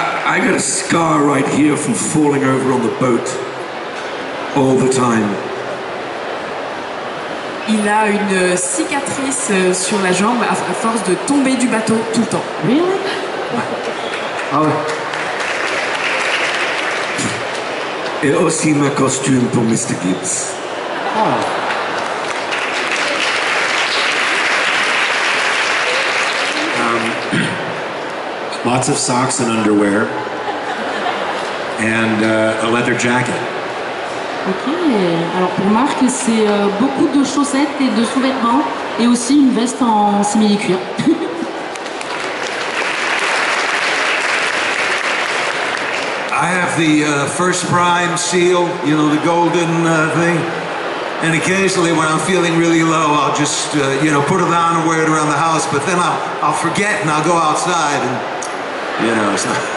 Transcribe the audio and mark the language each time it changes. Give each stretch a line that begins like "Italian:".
English: I got a scar right here from falling over on the boat all the time.
French: Il a une cicatrice sur la jambe à force de tomber du bateau tout le temps.
English: Really?
French: Ouais. Ah ouais. Et aussi ma costume pour Mr. Gibbs. Ah.
English: Lots of socks and underwear. And a leather jacket.
French: Ok, alors pour Marc, c'est beaucoup de chaussettes et de sous-vêtements, et aussi une veste en simili-cuir.
English: I have the first prime seal, you know, the golden thing. And occasionally when I'm feeling really low, I'll just, you know, put it on and wear it around the house, but then I'll forget and I'll go outside and, you know, so.